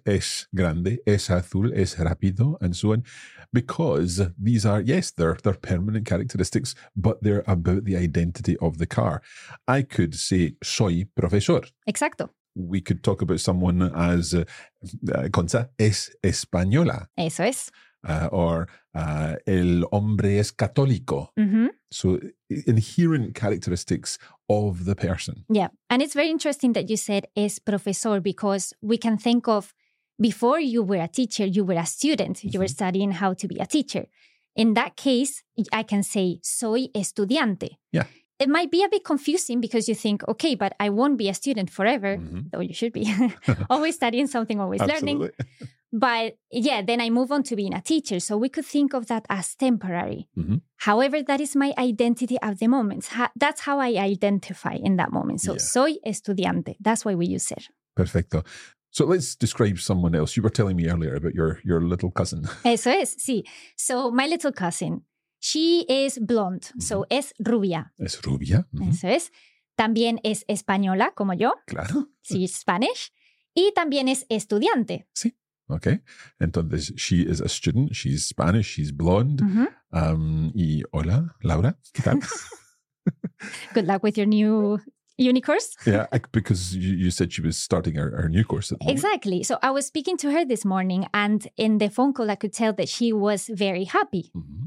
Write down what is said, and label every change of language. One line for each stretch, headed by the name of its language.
Spanish: Es grande, es azul, es rápido,
English: and so on. Because these are, yes, they're permanent characteristics, but they're about the identity of the car. I could say
Spanish: soy profesor. Exacto.
English: We could talk about someone as, Concha,
Spanish: es española. Eso es. Or el hombre es católico. Mm-hmm.
English: So inherent characteristics of the person. Yeah. And it's very interesting that you said
Spanish: es profesor
English: because we can think of before you were a teacher, you were a student. Mm-hmm. You were studying how to be a teacher. In that case, I can say
Spanish: soy estudiante.
English: Yeah. It might be a bit confusing because you think, okay, but I won't be a student forever. Mm-hmm. Though you should be. Always studying something, always learning. But yeah, then I move on to being a teacher. So we could think of that as temporary. Mm-hmm. However, that is my identity at the moment. That's how I identify in that moment. So
Spanish: soy estudiante.
English: That's why we use ser.
Spanish: Perfecto.
English: So let's describe someone else. You were telling me earlier about your little cousin.
Spanish: Eso es, sí.
English: So my little cousin, she is blonde.
Spanish: Mm-hmm. So es rubia. Es rubia. Mm-hmm. Eso es. También es española, como yo. Claro. Sí, Spanish. Y también es estudiante.
English: Sí. Okay. Entonces, she is a student. She's Spanish. She's blonde. Mm-hmm.
Spanish: Y hola, Laura. ¿Qué tal?
English: Good luck with your new uni course. Yeah, because you said she was starting her new course. At the exactly. Moment. So I was speaking to her this morning and in the phone call, I could tell that she was very happy. Mm-hmm.